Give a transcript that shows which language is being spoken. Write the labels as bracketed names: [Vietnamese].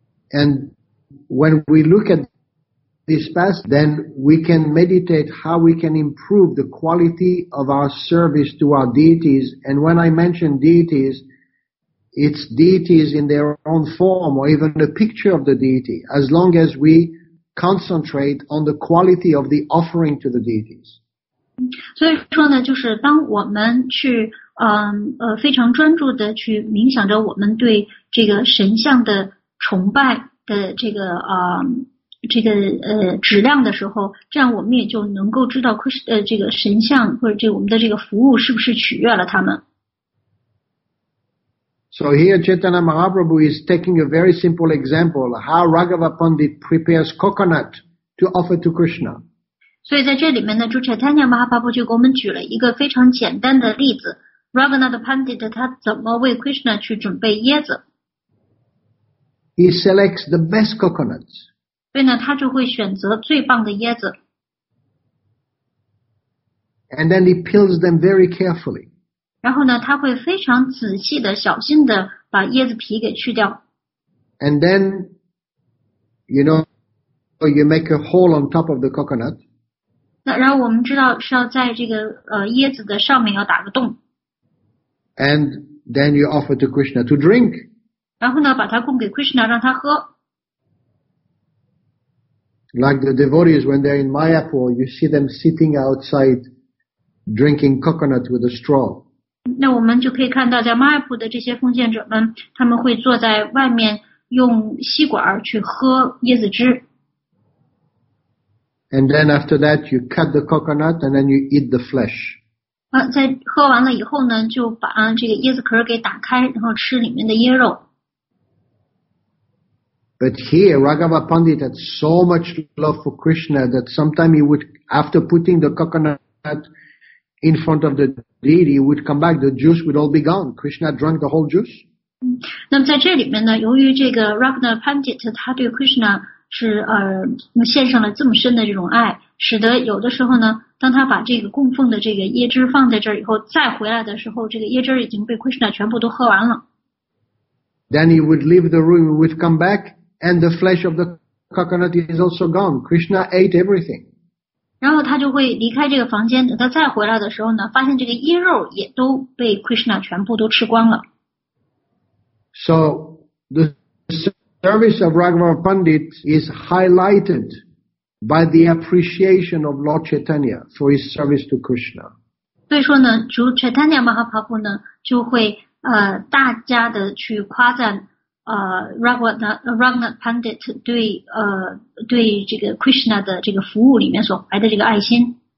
[English] And when we look at this past then we can meditate how we can improve the quality of our service to our deities and when I mention deities it's deities in their own form or even the picture of the deity as long as we concentrate on the quality of the offering to the deities [Chinese] 所以说呢就是当我们去非常专注的去冥想着我们对这个神像的崇拜的质量的时候，这样我们也就能够知道这个神像或者这我们的这个服务是不是取悦了他们。 [English] So here, Chaitanya Mahaprabhu is taking a very simple example how Raghava Pandit prepares coconut to offer to Krishna. [Chinese] 所以在这里面呢，朱 Chaitanya Mahaprabhu 就给我们举了一个非常简单的例子。 Raghunath Pandit 他怎么为 Krishna 去准备椰子 [English] He selects the best coconuts [Chinese] 所以呢他就会选择最棒的椰子 [English] And then he peels them very carefully [Chinese] 然后呢他会非常仔细的小心的把椰子皮给去掉 [English] And then you know you make a hole on top of the coconut [Chinese] 那然后我们知道是要在这个椰子的上面要打个洞 [English] And then you offer to Krishna to drink. [Chinese] 然后呢，把它供给 Krishna， 让他喝。 [English] Like the devotees when they're in Mayapur, you see them sitting outside, drinking coconut with a straw. [Chinese] 那我们就可以看到，在 Mayapur 的这些奉献者们，他们会坐在外面用吸管去喝椰子汁。 [English] And then after that, you cut the coconut and then you eat the flesh. [Chinese] 在喝完了以后呢就把这个椰子壳给打开然后吃里面的椰肉 [English] But here Raghava Pandit had so much love for Krishna that sometimes he would after putting the coconut in front of the deity he would come back the juice would all be gone Krishna drank the whole juice [Chinese] 那么在这里面呢由于这个 Raghava Pandit 他对 Krishna 是献上了这么深的这种爱使得有的时候呢当他把这个供奉的这个椰汁放在这儿以后再回来的时候这个椰汁已经被 Krishna 全部都喝完了 [English] Then he would leave the room he would come back and the flesh of the coconut is also gone Krishna ate everything [Chinese] 然后他就会离开这个房间等他再回来的时候呢发现这个椰肉也都被 Krishna 全部都吃光了 [English] So the service of Raghava Pandit is highlighted by the appreciation of Lord Chaitanya for his service to Krishna. [Chinese] 所以说呢主 Chaitanya Mahaprabhu 呢就会大家的去夸赞Raghunath Pandit 对这个 Krishna 的这个服务里面所怀的这个爱心。